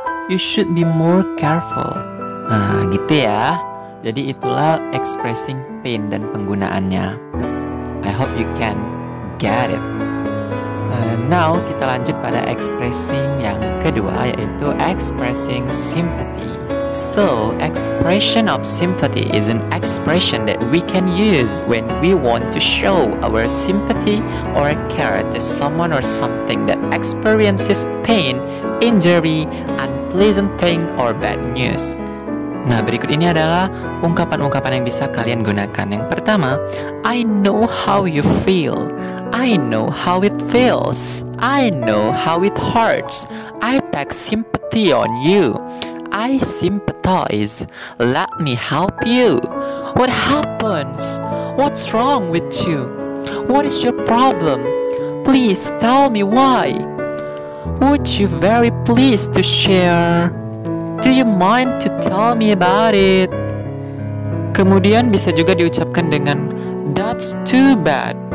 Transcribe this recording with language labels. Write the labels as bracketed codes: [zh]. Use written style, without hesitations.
[en] you should be more careful. [id] Nah, gitu ya. Jadi itulah [en] expressing pain [id] dan penggunaannya. [en] I hope you can get it. Now, [id] kita lanjut pada [en] expressing [id] yang kedua, yaitu [en] expressing sympathy. So, expression of sympathy is an expression that we can use when we want to show our sympathy or care to someone or something that experiences pain, injury, unpleasant thing, or bad news. [id] Nah, berikut ini adalah ungkapan-ungkapan yang bisa kalian gunakan. Yang pertama, [en] I know how you feel. I know how it feels. I know how it hurts. I take sympathy on you. I sympathize. Let me help you. What happens? What's wrong with you? What is your problem? Please tell me why. Would you very pleased to share? Do you mind to tell me about it? [id] Kemudian bisa juga diucapkan dengan [en] That's too bad.